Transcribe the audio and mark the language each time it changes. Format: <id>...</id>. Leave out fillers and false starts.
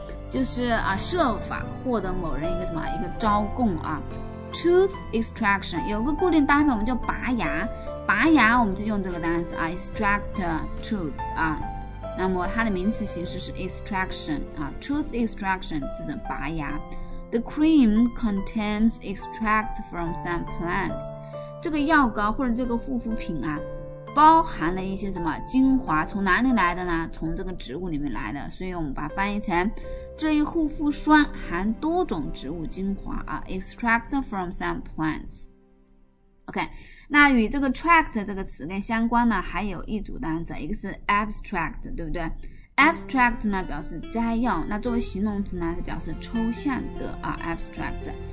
<zh>就是啊，设法获得某人一个什么一个招供啊。</zh> <en>Tooth extraction</en> <zh>有个固定搭配，我们叫拔牙，拔牙我们就用这个单词啊 ，</zh> <en>extract tooth</en> <zh>啊。那么它的名词形式是 extraction 啊 ，</zh> <en>tooth extraction</en> <zh>指的拔牙。</zh> <en>The cream contains extract from some plants。</en> <zh>这个药膏或者这个护肤品啊，包含了一些什么精华，从哪里来的呢？从这个植物里面来的，所以我们把它翻译成这一护肤霜含多种植物精华啊 ，</zh> <en>extract from some plants。</en> <zh>OK， 那与这个 tract 这个词根相关呢，还有一组单词，一个是 abstract， 对不对 ？abstract 呢表示摘要，那作为形容词呢是表示抽象的啊 ，abstract。</zh>